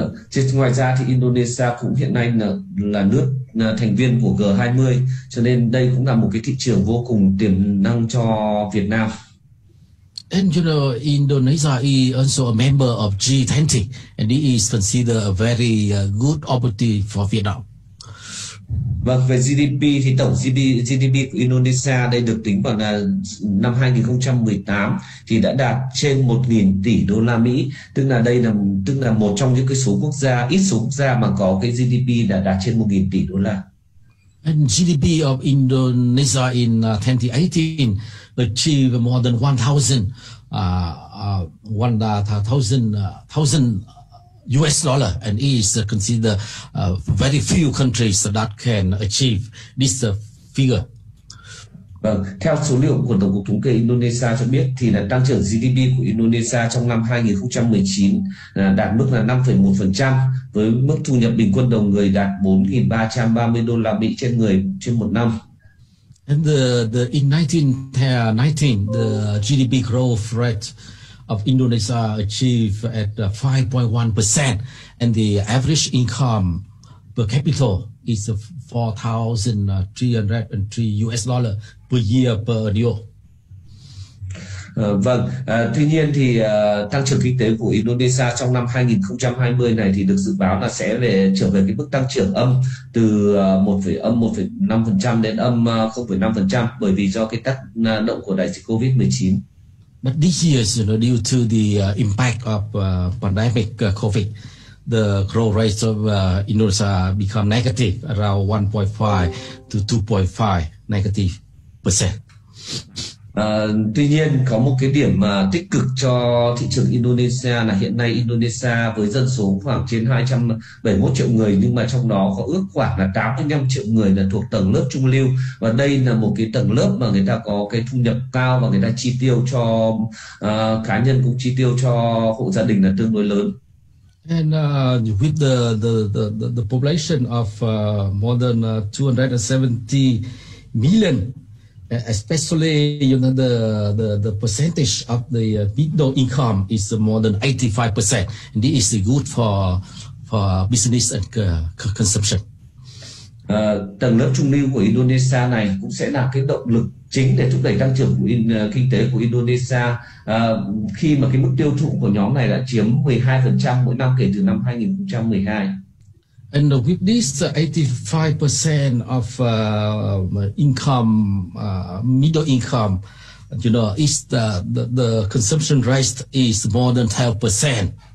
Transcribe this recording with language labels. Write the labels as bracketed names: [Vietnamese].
[Vietnamese] trên ngoài ra thì Indonesia cũng hiện nay là nước thành viên của G20, cho nên đây cũng là một cái thị trường vô cùng tiềm năng cho Việt Nam. [English] And you know, Indonesia is also a member of G20, and it is considered a very good opportunity for Vietnam. [Vietnamese] Vâng, về GDP thì tổng GDP của Indonesia đây được tính vào là năm 2018 thì đã đạt trên 1.000 tỷ đô la Mỹ, tức là đây là một trong những cái số quốc gia, ít số quốc gia mà có cái GDP đã đạt trên 1.000 tỷ đô la. [English] And GDP of Indonesia in 2018 achieved more than 1,000 US dollar, and is considered very few countries that can achieve this figure. [Vietnamese] Vâng, theo số liệu của Tổng cục Thống kê Indonesia cho biết thì là tăng trưởng GDP của Indonesia trong năm 2019 đạt mức là 5,1%, với mức thu nhập bình quân đầu người đạt 4.330 đô la Mỹ trên người trên một năm. [English] And in 2019, the GDP growth rate of Indonesia achieved at 5.1%, and the average income per capita is 4,303 US dollar per year per annual. [Vietnamese] Vâng, tuy nhiên thì tăng trưởng kinh tế của Indonesia trong năm 2020 này thì được dự báo là sẽ về trở về cái mức tăng trưởng âm từ 1.5% đến âm 0.5%, bởi vì do cái tác động của đại dịch COVID-19. [English] But this year, you know, due to the impact of pandemic COVID, the growth rate of Indonesia become negative, around 1.5 to 2.5%. [Vietnamese] Tuy nhiên, có một cái điểm tích cực cho thị trường Indonesia là hiện nay Indonesia với dân số khoảng trên 271 triệu người, nhưng mà trong đó có ước khoảng là 85 triệu người là thuộc tầng lớp trung lưu, và đây là một cái tầng lớp mà người ta có cái thu nhập cao và người ta chi tiêu cho cá nhân cũng chi tiêu cho hộ gia đình là tương đối lớn. [English] And with the population of more than 270 million, especially, you know, the percentage of the middle income is more than 85%. This is good for for business and consumption. [Vietnamese] Tầng lớp trung lưu của Indonesia này cũng sẽ là cái động lực chính để thúc đẩy tăng trưởng của kinh tế của Indonesia, khi mà cái mức tiêu thụ của nhóm này đã chiếm 12% mỗi năm kể từ năm 2012. [English] And with this 85% of income, middle income, you know, is the consumption rate is more than 12%.